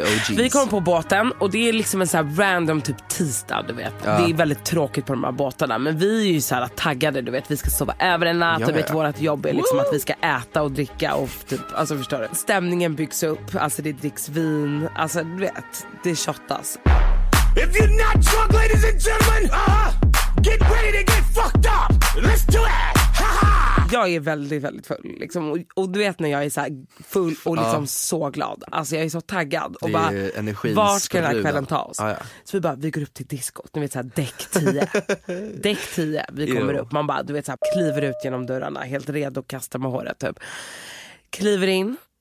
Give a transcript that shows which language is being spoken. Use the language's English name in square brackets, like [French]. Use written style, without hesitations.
[Swedish] Vi kom på båten och det är liksom en så här random typ tisdag, du vet. Ja. Det är väldigt tråkigt på de här båtarna, men vi är ju så här taggade, du vet, vi ska sova över en natt, ja, du vet, ja. Vårat jobb är liksom att vi ska äta och dricka och typ, alltså förstår du. Stämningen byggs upp, alltså det dricks vin, alltså du vet, det shottas. [English] If you're not drunk, ladies and gentlemen, get ready to get fucked up. Let's do it. [Swedish] Jag är väldigt, väldigt full liksom. Och du vet när jag är så här full och liksom så glad. Alltså jag är så taggad. Och det är bara, energin vart ska den här kvällen ta oss? Ah, ja. Så vi bara, vi går upp till diskot. Ni vet såhär, däck 10. Däck 10, vi kommer upp. Man bara, du vet så här, kliver ut genom dörrarna. Helt redo och kastar med håret typ. Kliver in.